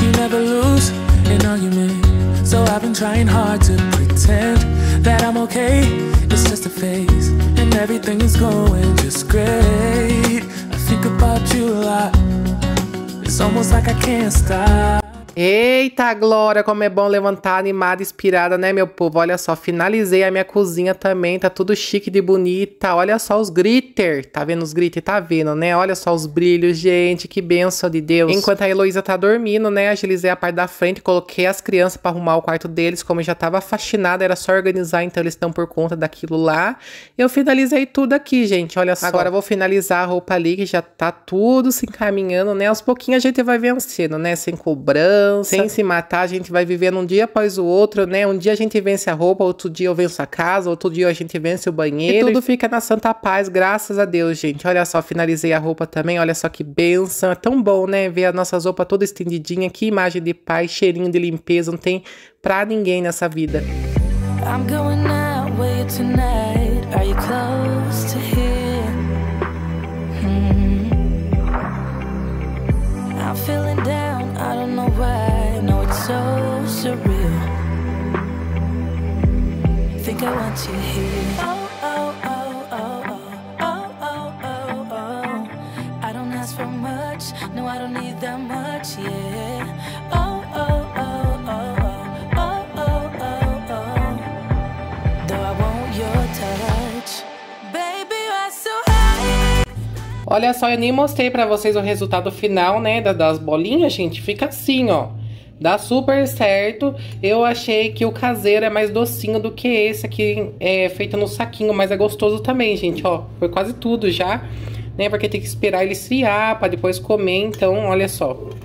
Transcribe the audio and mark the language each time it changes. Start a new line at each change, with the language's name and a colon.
English: You never lose an argument. So I've been trying hard to pretend that I'm okay, it's just a phase, and everything is going just great. I think about you a lot, it's almost like I can't stop.
Portuguese: Eita, glória, como é bom levantar animada, inspirada, né, meu povo? Olha só, finalizei a minha cozinha também, tá tudo chique de bonita. Olha só os glitter, tá vendo os glitter? Tá vendo, né? Olha só os brilhos, gente, que benção de Deus. Enquanto a Heloísa tá dormindo, né, agilizei a parte da frente, coloquei as crianças pra arrumar o quarto deles. Como eu já tava faxinada, era só organizar, então eles estão por conta daquilo lá. Eu finalizei tudo aqui, gente, olha só. Agora eu vou finalizar a roupa ali, que já tá tudo se encaminhando, né? Aos pouquinhos a gente vai vencendo, né, sem cobrança. Sem se matar, a gente vai vivendo um dia após o outro, né? Um dia a gente vence a roupa, outro dia eu venço a casa, outro dia a gente vence o banheiro. E tudo fica na santa paz, graças a Deus, gente. Olha só, finalizei a roupa também, olha só que benção. É tão bom, né? Ver as nossas roupas todas estendidinhas. Que imagem de paz, cheirinho de limpeza. Não tem pra ninguém nessa vida.
English: I'm going out with you tonight. Are you close to here? I'm feeling down. I don't know why, I know it's so surreal. Think I want you here. Oh, oh, oh, oh, oh, oh, oh, oh, oh. I don't ask for much, no, I don't need that much, yeah. Oh, oh, oh, oh, oh, oh, oh, oh. Though I want your touch. Baby, you're so high.
Portuguese: Olha só, eu nem mostrei pra vocês o resultado final, né, das bolinhas, gente. Fica assim, ó. Dá super certo. Eu achei que o caseiro é mais docinho do que esse aqui, é feito no saquinho, mas é gostoso também, gente. Ó, foi quase tudo já, né? Porque tem que esperar ele esfriar para depois comer. Então, olha só.